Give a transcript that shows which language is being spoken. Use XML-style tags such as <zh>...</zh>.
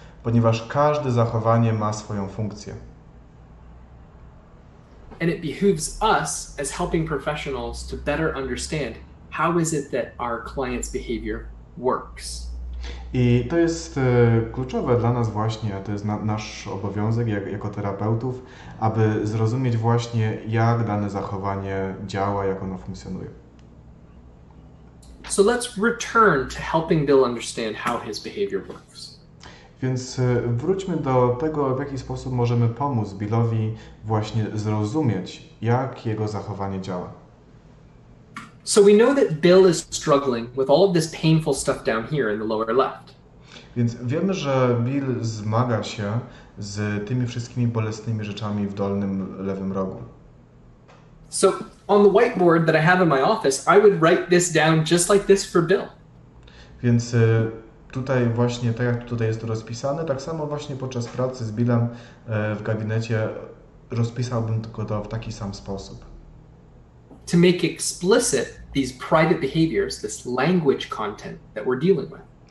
<pl>Ponieważ każde zachowanie ma swoją funkcję.</pl> <en>And it behooves us as helping professionals to better understand how is it that our client's behavior works.</en> <pl>I to jest kluczowe dla nas właśnie, to jest nasz obowiązek jako terapeutów, aby zrozumieć właśnie, jak dane zachowanie działa, jak ono funkcjonuje.</pl> <en>So let's return to helping Bill understand how his behavior works.</en> <pl>Więc wróćmy do tego, w jaki sposób możemy pomóc Billowi właśnie zrozumieć, jak jego zachowanie działa.</pl> <en>So we know that Bill is struggling with all of this painful stuff down here in the lower left.</en> <pl>Więc wiemy, że Bill zmaga się z tymi wszystkimi bolesnymi rzeczami w dolnym lewym rogu.</pl> <en>So on the whiteboard that I have in my office, I would write this down just like this for Bill.</en> <pl>Więc tutaj właśnie, tak jak tutaj jest to rozpisane, tak samo właśnie podczas pracy z Billem w gabinecie rozpisałbym tylko to w taki sam sposób.</pl> <en>To make explicit these private behaviors, this language content that we're dealing with.</en>